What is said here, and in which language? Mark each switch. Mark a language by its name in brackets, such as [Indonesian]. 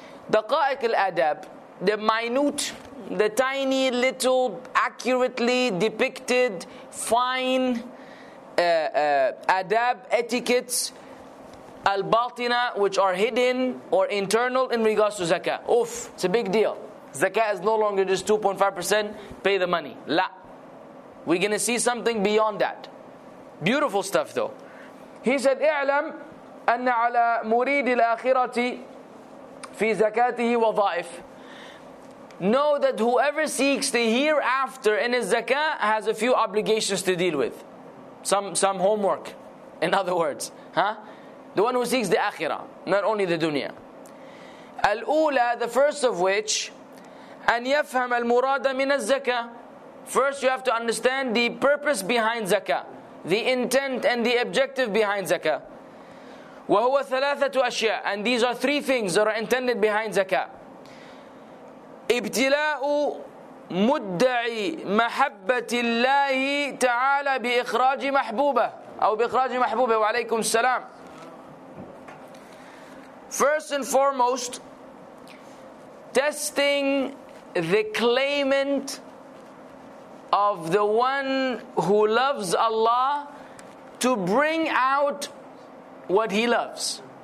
[English] Daqa'iq al-adab, the minute, the tiny little, accurately depicted, fine adab, etiquettes, al-batina, which are hidden or internal in regards to zakah. Oof, it's a big deal. Zakah is no longer just 2.5%, pay the money. La. We're going to see something beyond that. Beautiful stuff though. He said, [Arabic] اعلم أن على مريد الآخرة في زكاته وظائف. [English] Know that whoever seeks the hereafter in his zakah has a few obligations to deal with. Some homework, in other words. Huh? The one who seeks the akhirah, not only the dunya. [Arabic] الأولى, [English] the first of which, [Arabic] أن يفهم المراد من الزكاة. [English] First you have to understand the purpose behind zakah, the intent and the objective behind zakah. [Arabic] وهو ثلاثة أشياء. [English] And these are three things that are intended behind zakah. [Arabic] ابتلاء مدعي محبة الله تعالى بإخراج محبوبة أو بإخراج محبوبة وعليكم السلام. [English] First and foremost, testing the claimant of the one who loves Allah to bring out what he loves.